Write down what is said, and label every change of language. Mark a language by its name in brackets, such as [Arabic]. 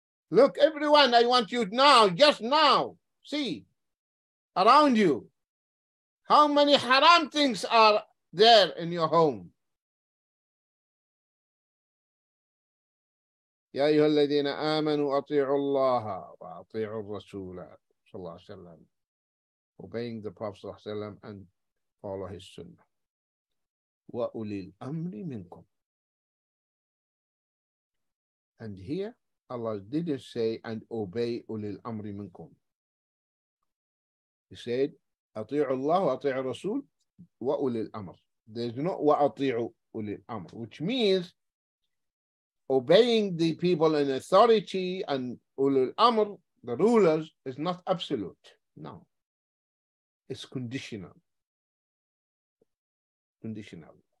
[English] Look, everyone, I want you now, just now, see around you, how many haram things are there in your home? [Arabic] يا أيها الذين آمنوا أطيعوا الله وأطيعوا الرسول صلى الله عليه وسلم. [English] Obeying the Prophet [Arabic] صلى الله عليه وسلم [English] and follow his sunnah. [Arabic] وأولي الأمر منكم. [English] And here Allah didn't say and obey [Arabic] أولي الأمر منكم. [English] He said [Arabic] أطيعوا الله وأطيعوا الرسول وأولي الأمر. [English] There's no [Arabic] وأطيعوا أولي الأمر, [English] which means obeying the people in authority and ulul amr, the rulers, is not absolute. No. It's conditional. Conditional.